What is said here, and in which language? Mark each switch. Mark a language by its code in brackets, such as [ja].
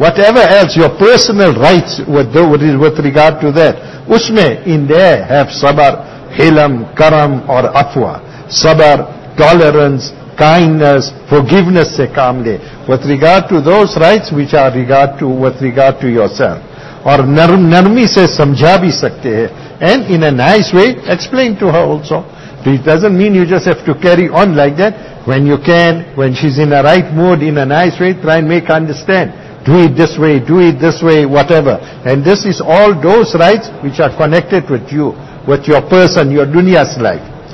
[en] Whatever else, your personal rights with regard to that, [ur] usme [en] in there have sabar, hilam, karam or afwa. Sabar, tolerance, kindness, forgiveness [ur] se kaam le. [en] With regard to those rights which are regard to, with regard to yourself. [ur] اور نرم نرمی سے سمجھا بھی سکتے ہیں. [en] And in a nice way explain to her also. It doesn't mean you just have to carry on like that. When you can, when she's in a right mood, in a nice way, try and make her understand. Do it this way, whatever. And this is all those rights which are connected with you, with your person, your dunya's life.